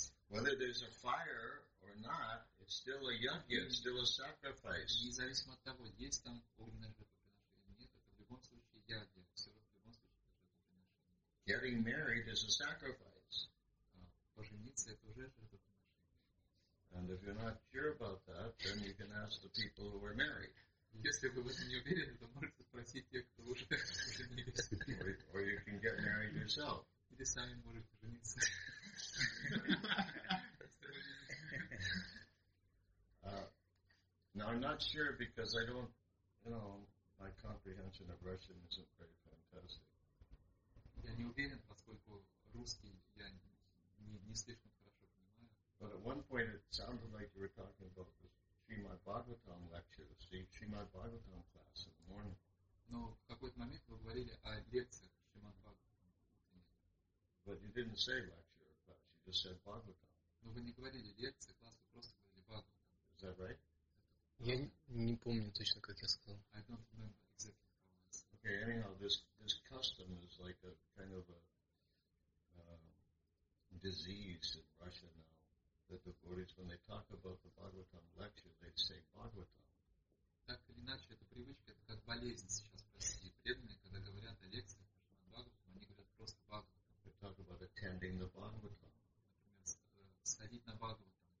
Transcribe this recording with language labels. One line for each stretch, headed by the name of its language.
English: whether there's a fire or not, it's still a yagya, it's still a sacrifice.
Russian: Независимо от того, есть там огненное жертвоприношение или нет, это в любом случае ягья, все равно в любом случае это жертвоприношение.
English: Getting married is a sacrifice.
Russian: Пожениться это уже жертвоприношение.
English: And if you're not sure about that, then you can ask the people who are married.
Russian: Если вы в этом не уверены, то можете спросить тех, кто уже женился.
English: Or you can get married yourself.
Russian: Или сами можете жениться.
English: Now I'm not sure because I don't, you know, my comprehension of Russian isn't very fantastic.
Russian: Я не уверен, поскольку русский я не слишком хорошо понимаю.
English: But at one point it sounded like you were talking about the Srimad Bhagavatam lecture, the Srimad Bhagavatam class in the morning.
Russian: Но в какой-то момент вы говорили о лекциях Srimad Bhagavatam.
English: But you didn't say lecture, class. You just said Bhagavatam.
Russian: Но вы не говорили лекции, класс, вы просто говорили Bhagavatam.
English: Is that right?
Russian: Я не помню точно, как я сказал.
English: I don't remember exactly how I said. Okay, anyhow, this custom is like a kind of a disease in Russia now, that the devotees, when they talk about the Bhagavatam lecture, they say Bhagavatam.
Russian: Так или иначе, это привычка, это как болезнь сейчас в России. Преданные, когда говорят о лекциях о Бхагаватам, они говорят просто Бхагаватам.
English: They talk about attending the Bhagavatam.
Russian: Например, сходить на Бхагаватам.